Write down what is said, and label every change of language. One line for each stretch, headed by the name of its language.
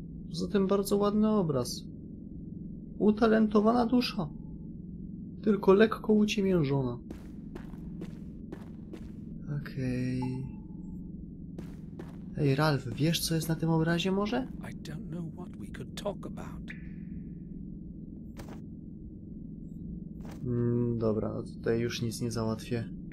Polish: Zatem bardzo ładny obraz. Utalentowana dusza. Tylko lekko uciemiężona. Okej. Okay. Ej, Ralph, wiesz co jest na tym obrazie może?
English: I don't know what we could talk about.
Polish: Dobra, tutaj już nic nie załatwię.